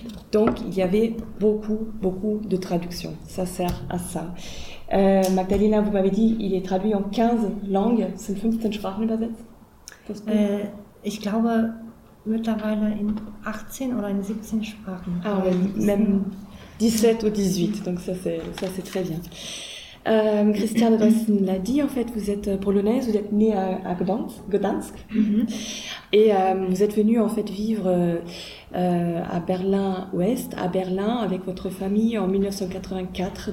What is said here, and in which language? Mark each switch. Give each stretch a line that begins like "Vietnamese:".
French: Donc, il y avait beaucoup, beaucoup de traductions. Ça sert à ça. Magdalena, vous m'avez dit, il est traduit en 15 langues. C'est une
German: 15 Sprachen übersetzt? Ich glaube, mittlerweile in 18 oder in 17 Sprachen.
French: Ah, oui, même 17 ou 18. Donc, ça, c'est très bien. Christiane Dresden l'a dit, en fait, vous êtes polonaise, vous êtes née à Gdansk. Et vous êtes venue, en fait, vivre à Berlin-Ouest, à Berlin, avec votre famille en 1984.